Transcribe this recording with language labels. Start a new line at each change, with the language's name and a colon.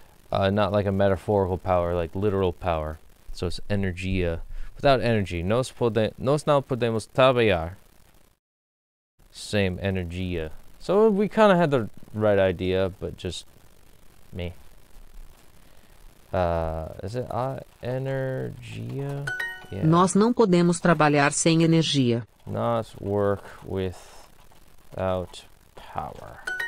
English: Not like a metaphorical power, like literal power. So it's energia. Without energy,
Portuguese: nós não podemos trabalhar sem energia.
English: So we kind of had the right idea, but just me. Is it a energia?
Portuguese: Yeah. Nós não podemos trabalhar sem energia.
English: Not work without power.